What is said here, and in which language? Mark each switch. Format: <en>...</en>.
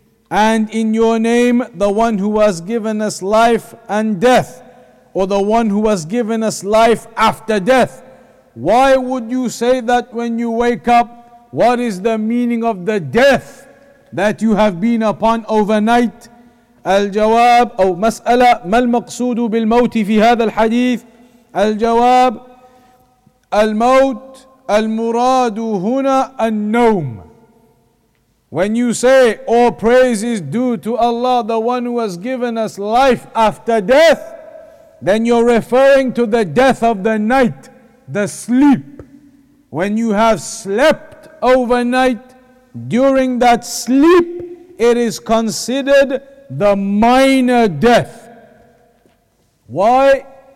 <en>And in your name the one who has given us life and death, or the one who has given us life after death. Why would you say that when you wake up? What is the meaning of the death that you have been upon overnight?</en> <ar>Al-jawab, aw mas'ala, mal maqsoodu bil mawti fi hadha al-hadith? الجواب الموت المراد هنا النوم.</ar> <en>When you say all praise is due to Allah, the one who has given us life after death, then you're referring to the death of the night, the sleep. When you have slept overnight, during that sleep, it is considered the minor death. Why?</en>